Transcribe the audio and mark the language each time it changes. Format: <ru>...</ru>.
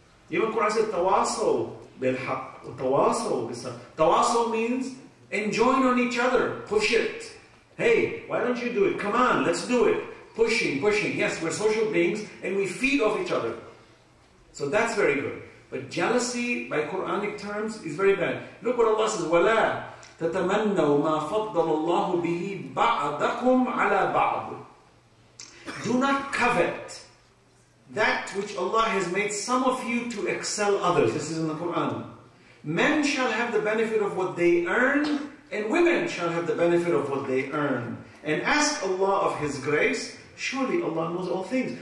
<en>Even Quran says,</en> <ar>tawasaw bil haq, tawasaw bil sabr.</ar> <en>Tawasaw means, enjoin on each other, push it. Hey, why don't you do it? Come on, let's do it. Pushing, pushing. Yes, we're social beings and we feed off each other. So that's very good. But jealousy, by Quranic terms, is very bad.</en> <ar>Look what Allah says, وَلَا تَتَمَنَّوا مَا فَضَّلَ اللَّهُ بِهِ بَعْضَكُمْ عَلَى بَعْضٍ.</ar> <en>Do not covet that which Allah has made some of you to excel others. This is in the Quran. Men shall have the benefit of what they earn, and women shall have the benefit of what they earn. And ask Allah of His grace, surely Allah knows all things.</en>